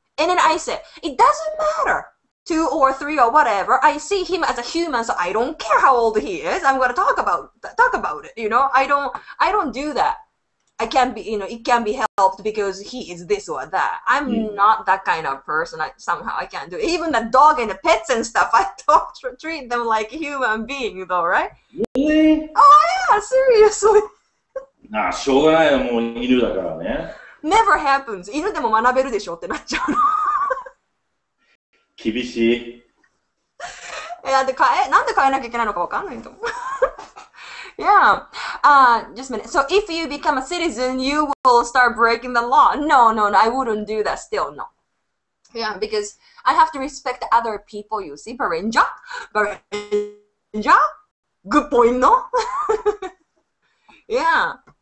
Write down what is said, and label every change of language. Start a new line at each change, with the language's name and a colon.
English: And then I say, it doesn't matter, two or three or whatever, I see him as a human, so I don't care how old he is, I'm gonna talk about it, you know? I don't do that. I can't be, you know, it can't be helped because he is this or that. I'm not that kind of person, I can't do it. Even the dog and the pets and stuff, I don't treat them like human beings though, right? Really? Oh yeah, seriously.
Japanese: ああ、しょうがないよ、もう犬だからね。
English: Never happens.
Japanese: 犬でも学べるでしょってなっちゃうの。厳しい。いや、で、変え、なんで変えなきゃいけないのかわかんないと思う。
English: Yeah, just a minute. So if you become a citizen, you will start breaking the law. No, no, no, I wouldn't do that still, no. Yeah, because I have to respect other people, you see. Barinja? Barinja? Good point, no? Yeah.